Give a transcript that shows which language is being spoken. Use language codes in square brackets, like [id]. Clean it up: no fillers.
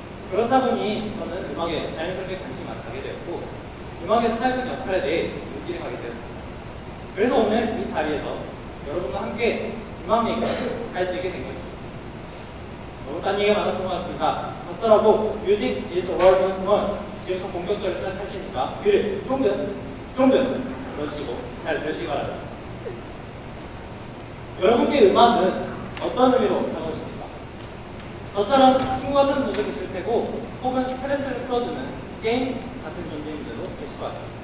[ko] 그렇다 보니 저는 음악에 자연스럽게 관심을 갖게 되었고 음악의 사회적 역할에 대해 눈길을 가게 되었습니다. 그래서 오늘 이 자리에서 여러분과 함께 음악 얘기를 할 수 있게 된 것입니다. 너무 딴 얘기가 많았던 것 같습니다. 박수라고 [en] Music is the world once more. [ko] 지금부터 본격적으로 시작할 테니까 귀를 쫑긋 쫑긋 열어주시고 잘 들으시기 바랍니다. 여러분께 음악은 어떤 의미로 다가오십니까? 저처럼 친구 같은 분도 계실 테고 혹은 스트레스를 풀어주는 게임 같은 존재인들도 계실 것 같아요.